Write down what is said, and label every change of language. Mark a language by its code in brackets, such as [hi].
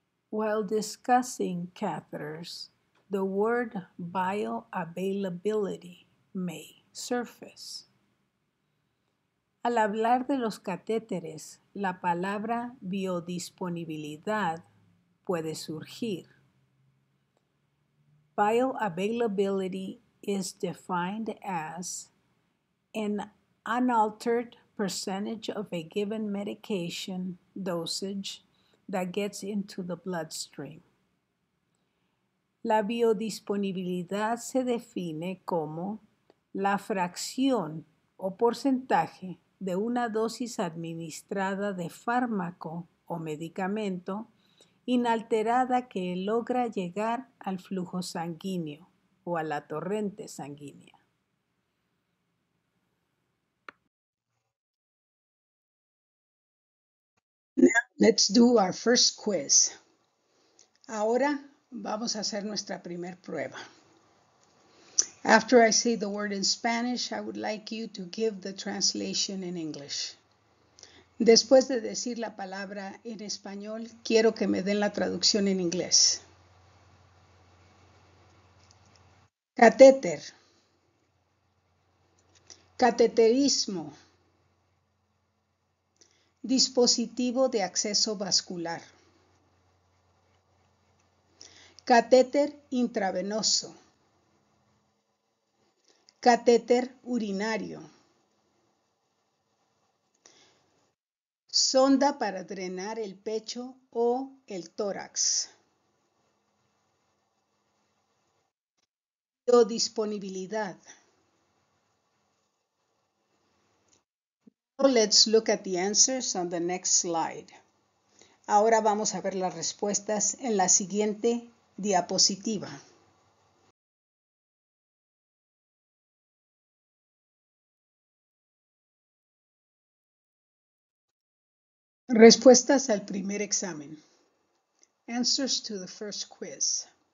[en] While discussing catheters, the word bioavailability may surface. [es] Al hablar de los catéteres, la palabra biodisponibilidad puede surgir. [en] Bioavailability is defined as an unaltered percentage of a given medication dosage that gets into the bloodstream. [es] La biodisponibilidad se define como la fracción o porcentaje de una dosis administrada de fármaco o medicamento inalterada que logra llegar al flujo sanguíneo o a la torrente sanguínea. [en] Let's do our first quiz. [es] Ahora vamos a hacer nuestra primer prueba. [en] After I say the word in Spanish, I would like you to give the translation in English. [es] Después de decir la palabra en español, quiero que me den la traducción en inglés. Catéter. Cateterismo. Dispositivo de acceso vascular. Catéter intravenoso. Catéter urinario. Sonda para drenar el pecho o el tórax. Biodisponibilidad. [en] Let's look at the answers on the next slide. [es] Ahora vamos a ver las respuestas en la siguiente diapositiva. Respuestas al primer examen. [en] Answers to the first quiz.